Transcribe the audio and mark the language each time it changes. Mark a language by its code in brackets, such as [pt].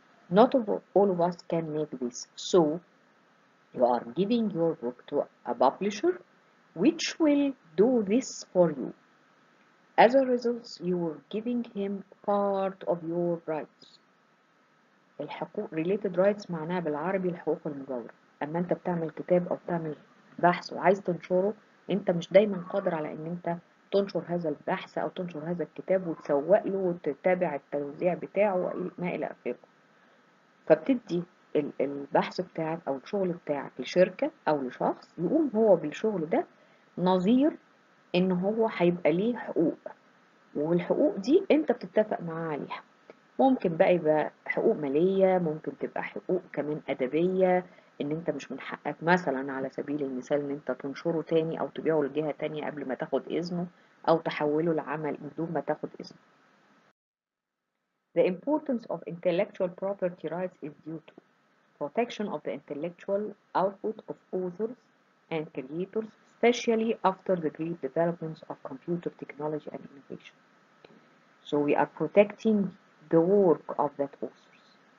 [en] Not all of us can make this. So you are giving your book to a publisher which will do this for you. As a result, you are giving him part of your rights. [ar] الحقوق [en] related rights [ar] معناها بالعربي الحقوق المجاورة. أما أنت بتعمل كتاب أو بتعمل بحث وعايز تنشره، أنت مش دايما قادر على أن أنت تنشر هذا البحث أو تنشر هذا الكتاب وتسوق له وتتابع التوزيع بتاعه وما إلى آخره. فبتدي البحث بتاعك أو الشغل بتاعك لشركة أو لشخص يقوم هو بالشغل ده نظير إن هو هيبقى ليه حقوق، والحقوق دي أنت بتتفق معاه عليها. ممكن بقى يبقى حقوق مالية، ممكن تبقى حقوق كمان أدبية، إن أنت مش من حقك مثلا على سبيل المثال إن أنت تنشره تاني أو تبيعه لجهة تانية قبل ما تاخد إذنه أو تحوله لعمل بدون ما تاخد إذنه. [en] The importance of intellectual property rights is due to protection of the intellectual output of authors and creators, especially after the great developments of computer technology and innovation. So we are protecting the work of that authors.